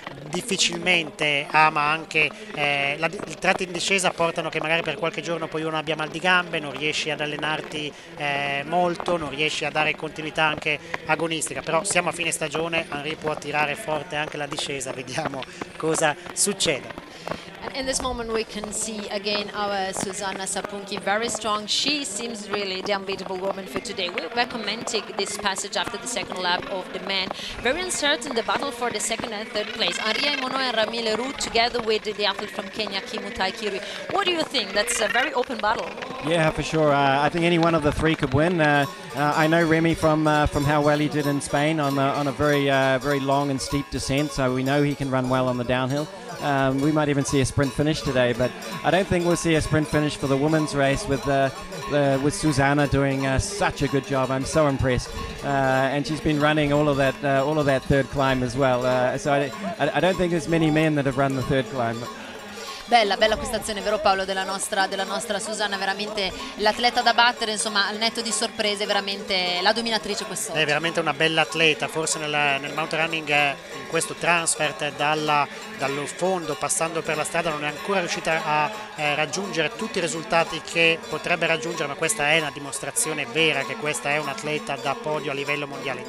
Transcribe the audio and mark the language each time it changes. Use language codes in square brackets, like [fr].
[it] difficilmente ama anche il tratto in discesa, portano che magari per qualche giorno poi uno abbia mal di gambe, non riesci ad allenarti molto, non riesci a dare continuità anche agonistica, però siamo a fine stagione. Henri può tirare forte anche la discesa, vediamo cosa succede. [en] In this moment we can see again our Susanna Sapunki, very strong. She seems really the unbeatable woman for today. We were commenting this passage after the second lap of the men. Very uncertain the battle for the second and third place. Henri Aimonò and Rémi Leroux together with the athlete from Kenya, Kimutai Kiri. What do you think? That's a very open battle. Yeah, for sure. I think any one of the three could win. I know Rémi from how well he did in Spain on a very very long and steep descent, so we know he can run well on the downhill. We might even see a sprint finish today, but I don't think we'll see a sprint finish for the women's race with Susanna doing such a good job. I'm so impressed, and she's been running all of that third climb as well. So I don't think there's many men that have run the third climb. [it] Bella questa azione, vero Paolo, della nostra Susanna, veramente l'atleta da battere, insomma, al netto di sorprese, veramente la dominatrice quest'oggi. È veramente una bella atleta, forse nel mountain running, in questo transfert dallo fondo, passando per la strada, non è ancora riuscita a raggiungere tutti i risultati che potrebbe raggiungere, ma questa è una dimostrazione vera che questa è un'atleta da podio a livello mondiale.